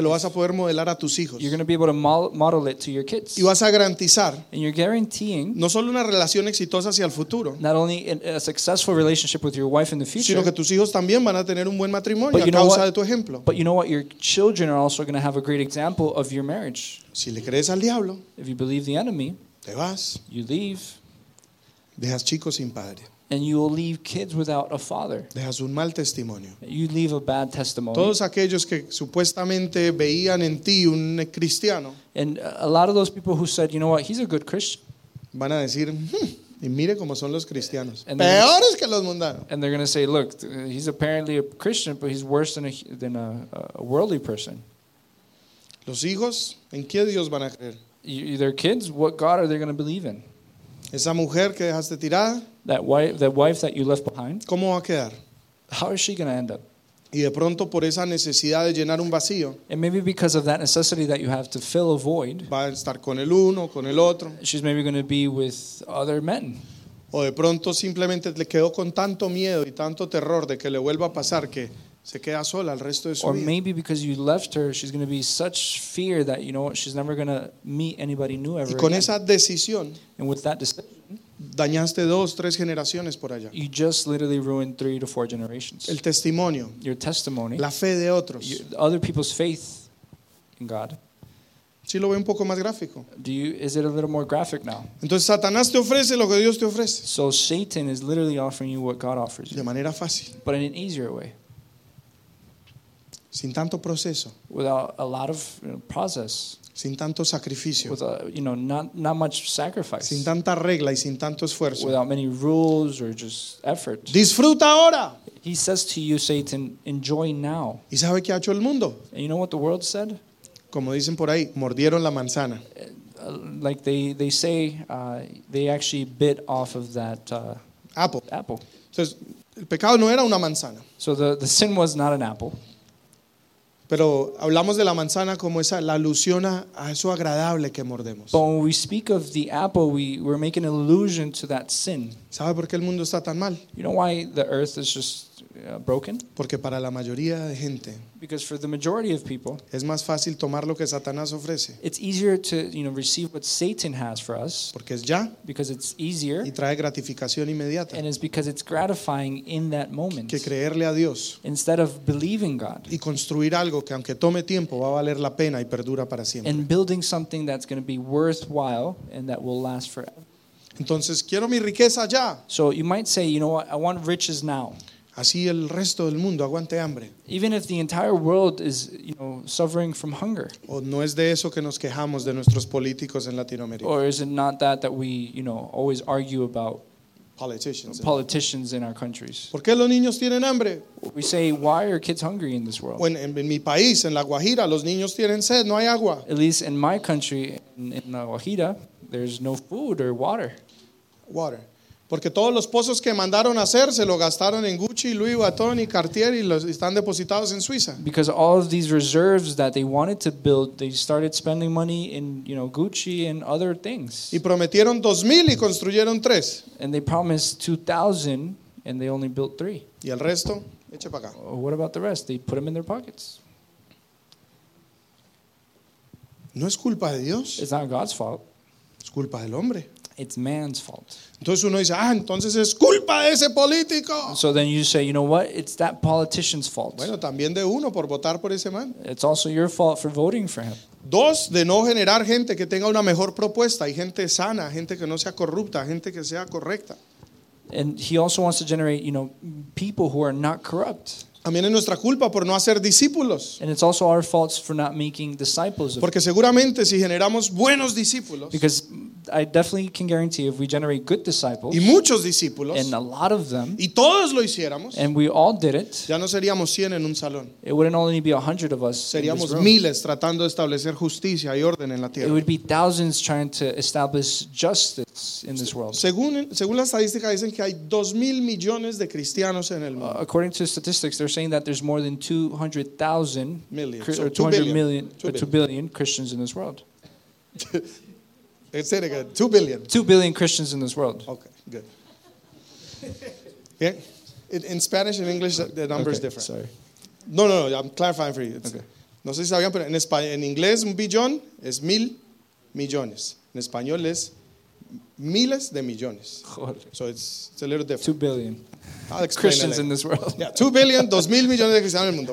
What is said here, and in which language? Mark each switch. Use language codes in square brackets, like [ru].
[es] Se lo vas a poder modelar a tus hijos. [en] You're going to be able to model it to your kids. [es] Y vas a garantizar, [en] and you're guaranteeing, [es] no solo una relación exitosa hacia el futuro, [en] not only a successful relationship with your wife in the future, [es] sino que tus hijos también van a tener un buen matrimonio a causa de tu ejemplo. [en] But you know what? Your children are also going to have a great example of your marriage. [es] Si le crees al diablo, [en] if you believe the enemy, [es] te vas, [en] you leave. [es] Dejas chicos sin padre. [en] And you will leave kids without a father. [es] Dejas un mal testimonio. [en] You leave a bad testimony. [es] Todos aquellos que supuestamente veían en ti un cristiano, [en] and a lot of those people who said, you know what, he's a good Christian, [es] van a decir, y mire cómo son los cristianos. Peores que los mundanos. [en] And they're going to say, look, he's apparently a Christian, but he's worse than a worldly person. [es] Los hijos, ¿en qué Dios van a creer? [en] Their kids, what God are they going to believe in? [es] Esa mujer que dejaste tirada, [en] that wife that you left behind, [es] ¿cómo va a quedar? [en] How is she going to end up? [es] Y de pronto por esa necesidad de llenar un vacío, [en] and maybe because of that necessity that you have to fill a void, [es] va a estar con el uno, con el otro, [en] she's maybe going to be with other men. [es] O de pronto simplemente le quedó con tanto miedo y tanto terror de que le vuelva a pasar que se queda sola el resto de su [en] or [es] vida. [en] Maybe because you left her, she's going to be such fear that, you know, she's never going to meet anybody new ever. [es] Y con [en] again. [es] Esa decisión, [en] and with that decision, [es] dañaste dos, tres generaciones por allá. [en] You just literally ruined 3 to 4 generations. [es] El testimonio, [en] your testimony, [es] la fe de otros, [en] other people's faith in God. [es] Sí, lo veo un poco más gráfico. [en] Is it a little more graphic now? [es] Entonces Satanás te ofrece lo que Dios te ofrece. [en] So Satan is literally offering you what God offers you. [es] De manera fácil. [en] But in an easier way. [es] Sin tanto proceso. [en] Without a lot of process. [es] Sin tanto sacrificio. [en] Without, you know, not much sacrifice. [es] Sin tanta regla y sin tanto esfuerzo. [en] Without many rules or just effort. [es] Disfruta ahora. [en] He says to you, Satan, enjoy now. [es] ¿Y sabe qué ha hecho el mundo? [en] And you know what the world said? [es] Como dicen por ahí, mordieron la manzana. [en] Like they say, they actually bit off of that apple. [es] Entonces, el pecado no era una manzana. [en] So the sin was not an apple. [es] Pero hablamos de la manzana como esa, la alusión a eso agradable que mordemos. [en] But when we speak of the apple, we're making an allusion to that sin. [es] ¿Sabe por qué el mundo está tan mal? [en] You know why the earth is just broken? [es] Porque para la mayoría de gente, [en] because for the majority of people, [es] es más fácil tomar lo que Satanás ofrece. [en] It's easier to, you know, receive what Satan has for us. [es] Porque es ya. [en] Because it's easier. [es] Y trae gratificación inmediata. [en] And it's because it's gratifying in that moment. [es] Que creerle a Dios. [en] Instead of believing God. [es] Y construir algo que aunque tome tiempo va a valer la pena y perdura para siempre. [en] And building something that's going to be worthwhile and that will last forever. [es] Entonces quiero mi riqueza ya. [en] So you might say, you know what? I want riches now. [es] Así el resto del mundo aguante hambre. [en] Even if the entire world is, you know, suffering from hunger. [es] O no es de eso que nos quejamos de nuestros políticos en Latinoamérica. [en] Or is it not that we, you know, always argue about politicians in our countries? [es] ¿Por qué los niños tienen hambre? [en] We say, why are kids hungry in this world? [es] En mi país, en La Guajira, los niños tienen sed, no hay agua. [en] At least in my country, in La Guajira, there's no food or water. Water. [es] Porque todos los pozos que mandaron a hacer se lo gastaron en Gucci, Louis Vuitton y Cartier y los están depositados en Suiza. [en] Because all of these reserves that they wanted to build, they started spending money in, you know, Gucci and other things. [es] Y prometieron 2,000 y construyeron 3. [en] And they promised 2,000 and they only built 3. [es] Y el resto, eche para acá. [en] What about the rest? They put them in their pockets. [es] No es culpa de Dios. [en] It's not God's fault. [es] Es culpa del hombre. [en] It's man's fault. [es] Entonces uno dice, ah, entonces es culpa de ese político. [en] So then you say, you know what? It's that politician's fault. [es] Bueno, también de uno por votar por ese man. [en] It's also your fault for voting for him. [es] Dos, de no generar gente que tenga una mejor propuesta. Hay gente sana, gente que no sea corrupta, gente que sea correcta. [en] And he also wants to generate, you know, people who are not corrupt. [es] También es nuestra culpa por no hacer discípulos. [en] And it's also our faults for not making disciples. [es] Porque seguramente si generamos buenos discípulos. [en] Because I definitely can guarantee if we generate good disciples. [es] Y muchos discípulos. [en] And a lot of them. [es] Y todos lo hiciéramos. [en] And we all did it. [es] Ya no seríamos 100 en un salón. [en] It wouldn't only be 100 of us. [es] Seríamos miles tratando de establecer justicia y orden en la tierra. [en] It would be thousands trying to establish justice in this world. [es] Según la estadística dicen que hay 2,000 millones de cristianos en el mundo. [en] According to statistics, they're saying that there's more than 200,000 or 200 million or 2 billion Christians in this world. Say it again. 2 billion. 2 billion Christians in this world. Okay, good. Yeah. In Spanish and English, the number is different. Sorry. No. I'm clarifying for you. It's, okay. [es] No sé si sabían, pero en español, en inglés, un billón es mil millones. En español es miles de millones. Joder. [en] So it's a little different. 2 billion. I'll explain Christians in this world. Yeah, 2 billion, [es] 2 mil millones de cristianos en el mundo.